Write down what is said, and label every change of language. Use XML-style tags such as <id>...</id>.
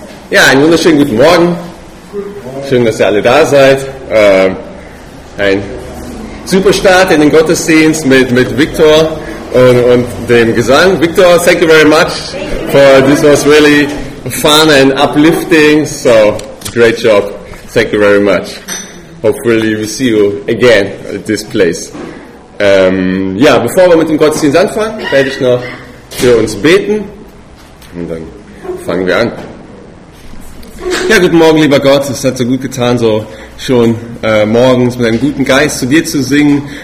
<de>Ja, einen wunderschönen guten Morgen. Schön, dass ihr alle da seid. Ein super Start in den Gottesdienst mit Victor und dem Gesang.</de> <en>Victor, thank you very much. This was really fun and uplifting. So, great job. Thank you very much. Hopefully we see you again at this place.</en> <de>Ja, bevor wir mit dem Gottesdienst anfangen, werde ich noch für uns beten. Und dann fangen wir an. Ja, guten Morgen, lieber Gott. Es hat so gut getan, so schon morgens mit einem guten Geist zu dir zu singen.</de>